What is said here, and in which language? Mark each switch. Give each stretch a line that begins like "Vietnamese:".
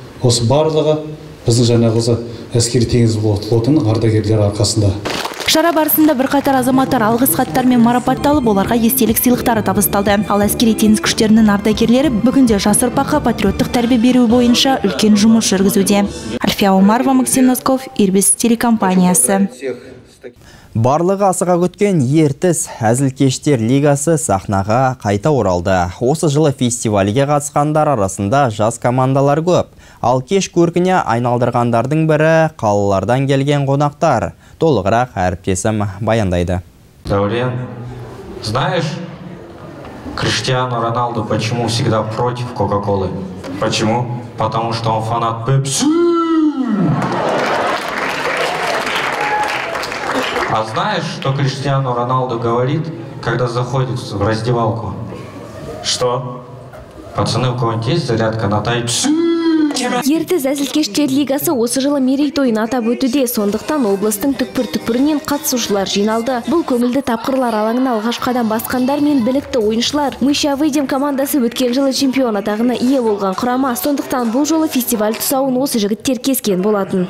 Kazakh: Осы барлығы біздің жаңағы әскери теңіз флотының ардагерлері арқасында. Шара барысында бірқатар азаматтар алғыс хаттармен марапатталып, оларға естелік сыйлықтары табысталды. Ал әскери теңіз күштерінің ардагерлері бүгінде жас ұрпаққа патриоттық тәрбие беру бойынша үлкен жұмыс жүргізуде. Альфия Омарова, Максим Носков, Ирбис телекомпаниясы. Барлығы асыға күткен Ертіс әзілкештер лигасы сахнаға қайта оралды. Осы жылы фестивальге қатысқандар арасында жас командалар көп. Ал кеш көркіне айналдырғандардың бірі қалалардан келген қонақтар. Толығырақ әріптесім баяндайды.
Russian: Дәурен, знаешь, Криштиану Роналду почему всегда против Кока-Колы? Почему? Потому что он фанат Пепси. А знаешь, что Криштиану Роналду говорит, когда заходит в раздевалку? Что? Пацаны, у кого-нибудь есть зарядка на тайпсу?
Kazakh: Ертіс әзілкештер лигасы осы жылы мерейтойын атап өтуде, сондықтан облыстың түкпір-түкпірінен қатысушылар жиналды. Бұл көңілді тапқырлар алаңына алғаш қадам басқандар мен білікті ойыншылар. Миша Выдем командасы өткен жылы чемпион атағына ие болған құрама, сондықтан бұл жолы фестиваль тұсауын осы жігіттер кескен болатын.